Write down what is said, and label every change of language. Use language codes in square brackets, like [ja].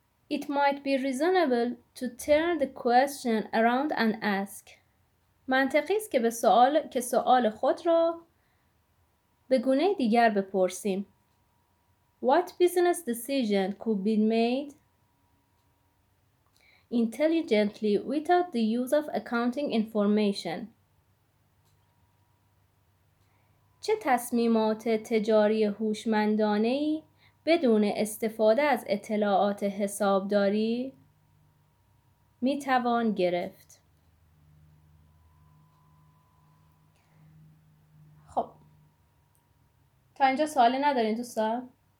[en] It might be reasonable to turn the question around and ask. [fa] منطقی است که سوال خود را به گونه دیگر بپرسیم. [en] What business decision could be made intelligently without the use of accounting information? [fa] چه تصمیمات تجاری هوشمندانه‌ای بدون استفاده از اطلاعات حسابداری می توان گرفت؟ خب تا اینجا سوالی ندارین دوستان؟